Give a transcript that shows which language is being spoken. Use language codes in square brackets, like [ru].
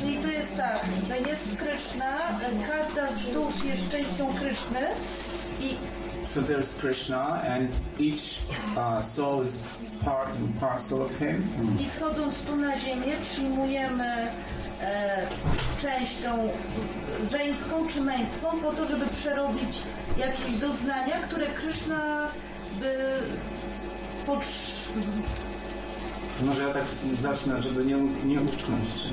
[pl] Czyli to jest tak, że jest Kryszna, każda z dusz jest częścią Kryszny i... [en] So there's Krishna and each soul is part and parcel of him. [pl] I schodząc tu na ziemię przyjmujemy część tą żeńską czy męską po to, żeby przerobić jakieś doznania, które Krishna by potrzebował. Może ja tak zacznę, żeby nie uczknąć.